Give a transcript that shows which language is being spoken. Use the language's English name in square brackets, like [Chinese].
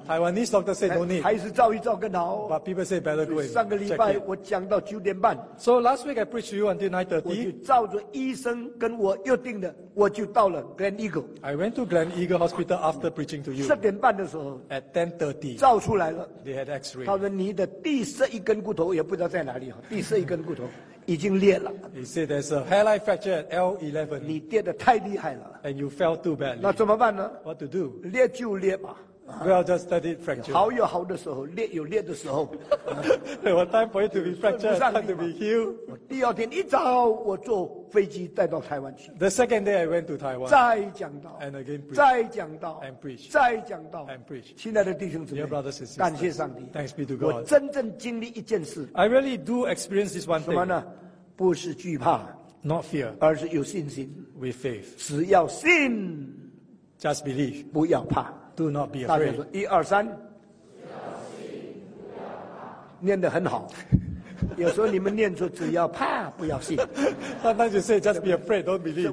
[English] Taiwanese doctor said, no need. [Chinese] 还是照一照更好, [English] but people say, better go and [Chinese] 上个礼拜, [English] check it. [Chinese] 我讲到9点半, [English] so last week I preached to you until 9:30. [Chinese] 我就照着医生跟我约定的, 我就到了 Glen Eagle. [English] I went to Glen Eagle Hospital after preaching to you. [Chinese] 10点半的时候, [English] at 10:30, [Chinese] 照出来了, [English] they had X-ray. [Chinese] 他说你的第11根骨头也不知道在哪里,第11根骨头 已经裂了, [English] he said there's a hairline fracture at L11. [Chinese] 你跌得太厉害了, [English] and you fell too badly. [Chinese] 那怎么办呢? [English] What to do? [Chinese] 裂就裂吧, [English] well, just study it fracture. [Chinese] 好有好的时候, 裂有裂的时候, [English] there was time for it to be fractured, time to be healed. [Chinese] 第二天一早, 我坐飞机带到台湾去, [English] the second day I went to Taiwan. [Chinese] 再讲道, [English] and again preach. [Chinese] 再讲道, [English] and preach. [Chinese] 再讲道, [English] and preach. [Chinese] 亲爱的弟兄姊妹, [English] dear brothers and sisters, [Chinese] 感谢上帝, [English] thanks be to God. [Chinese] 我真正经历一件事, [English] I really do experience this one thing. [Chinese] 什么呢?不是惧怕, [English] not fear, [Chinese] 而是有信心, [English] with faith. [Chinese] 只要信, [English] just believe. [Chinese] 不要怕, [English] do not be afraid. [Chinese] 一二三, 念得很好, 有时候你们念出只要怕, 不要信, [English] sometimes you say just be afraid, don't believe.